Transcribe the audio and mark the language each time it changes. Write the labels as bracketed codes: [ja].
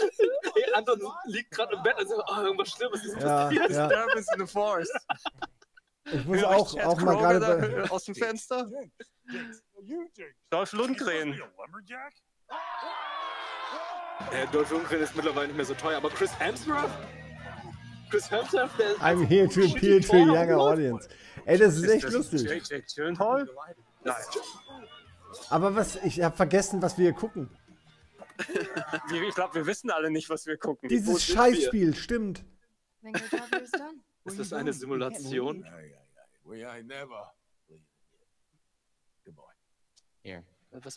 [de] Hey, Anton liegt gerade im Bett und sagt, oh, irgendwas Schlimmes ist passiert. [en] Ja. Disturbance in the Forest. [de] Ich muss auch mal gerade aus dem Fenster. Dolph Lundgren. Der Dolph Lundgren ist mittlerweile nicht mehr so teuer, aber Chris Hemsworth? [en] I'm here to appeal to a younger audience. [de] Ey, das ist echt lustig. Toll. Aber was, ich habe vergessen, was wir hier gucken. Ich glaube, wir wissen alle nicht, was wir gucken. Dieses Scheißspiel, stimmt. Ist das eine Simulation? Was